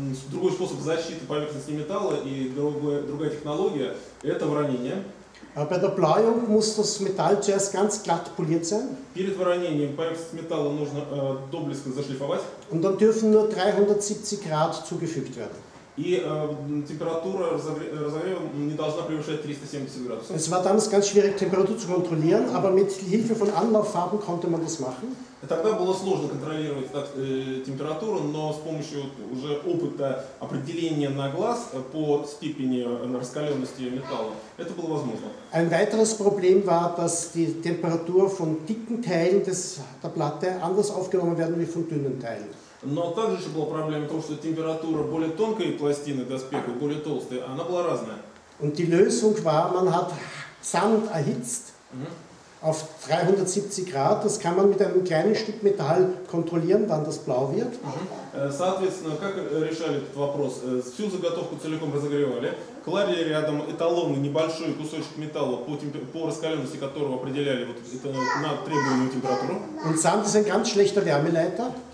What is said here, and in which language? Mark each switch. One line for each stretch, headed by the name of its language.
Russian: Другой способ защиты поверхности металла и другая технология – это вранение.
German: Bei der Bläuung muss das Metall zuerst ganz glatt poliert sein.
Russian: Перед вранением поверхность металла нужно доблестно зашлифовать.
German: Und dann dürfen nur 370 Grad zugefügt werden.
Russian: И температура разогрева не должна превышать 370 градусов.
German: Es war damals ganz schwierig, Temperatur zu kontrollieren, aber mit Hilfe von Anlauffarben konnte man das machen.
Russian: Тогда было сложно контролировать температуру, но с помощью уже опыта определения на глаз по степени раскаленности металла это было возможно.
German: Ein weiteres Problem war, dass die Temperatur von dicken Teilen der Platte anders aufgenommen werden wie von dünnen Teilen.
Russian: Но также еще была проблема в том, что температура более тонкой пластины доспеха, более толстой, она была разная.
German: Und die Lösung war, man hat Sand erhitzt. Auf 370 Grad, das kann man mit einem kleinen Stück Metall kontrollieren, wann das blau wird.
Russian: Соответственно, как решали этот вопрос? Всю заготовку целиком разогревали, клали рядом эталонный небольшой кусочек металла, по раскаленности которого определяли вот это, на требуемую температуру.
German: Und Sand ist ein ganz schlechter Wärmeleiter.